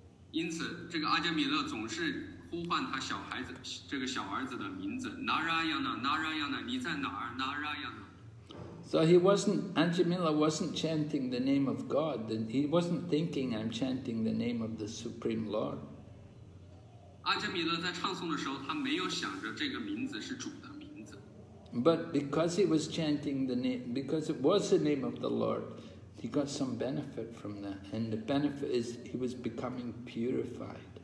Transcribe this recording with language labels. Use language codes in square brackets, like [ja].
[zh] 因此,这个阿加米勒总是呼唤他小孩子,这个小儿子的名字, Narayana, Narayana, 你在哪儿?Narayana. [en] So he wasn't, Ajamila wasn't chanting the name of God. He wasn't thinking, I'm chanting the name of the Supreme Lord. [zh] 阿加米勒在唱诵的时候,他没有想着这个名字是主的。 [en] But because he was chanting the name, because it was the name of the Lord, he got some benefit from that. And the benefit is he was becoming purified.